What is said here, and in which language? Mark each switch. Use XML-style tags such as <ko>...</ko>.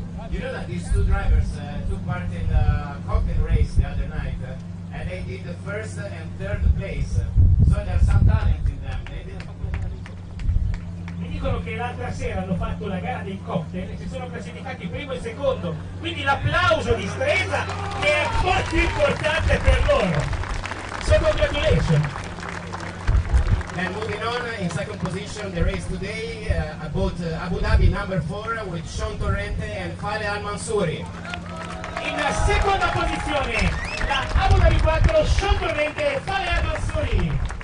<en>You know that these two drivers took part in the cocktail race the other night, and they did the first and third place. So there's some talent in them. They didn't...</en> <it>Mi dicono che l'altra sera hanno fatto la gara dei cocktail e si sono classificati primo e secondo. Quindi l'applauso di Stresa è molto importante per loro.</it> <en>So congratulations. And moving on, in second position, the race today, about Abu Dhabi number 4 with Sean Torrente and Fale Al-Mansouri.</en> <it>In seconda posizione, la Abu Dhabi 4, Sean Torrente e Fale Al-Mansouri.</it>